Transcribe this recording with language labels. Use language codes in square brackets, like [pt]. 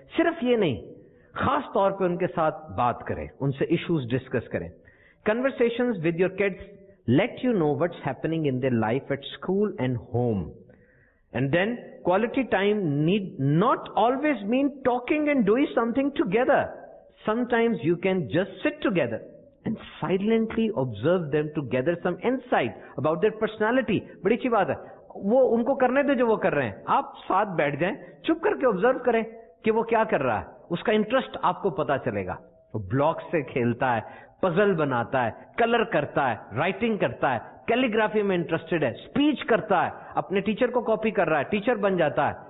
[ur] صرف یہ نہیں, خاص طور پہ ان کے ساتھ بات کریں, ان سے ایشوز ڈسکس کریں. [en] Conversations with your kids let you know what's happening in their life at school and home, and then quality time need not always mean talking and doing something together. Sometimes you can just sit together and silently observe them to gather some insight about their personality. [ur] بڑی اچھی بات ہے, وہ ان کو کرنے دے جو وہ کر رہے ہیں, آپ ساتھ بیٹھ جائیں, چپ کر کے آبزرو کریں کہ وہ کیا کر رہا ہے, اس کا انٹرسٹ آپ کو پتا چلے گا. وہ بلاک سے کھیلتا ہے, پزل بناتا ہے, کلر کرتا ہے, رائٹنگ کرتا ہے, کیلیگرافی میں انٹرسٹڈ ہے, اسپیچ کرتا ہے, اپنے ٹیچر کو کاپی کر رہا ہے, ٹیچر بن جاتا ہے.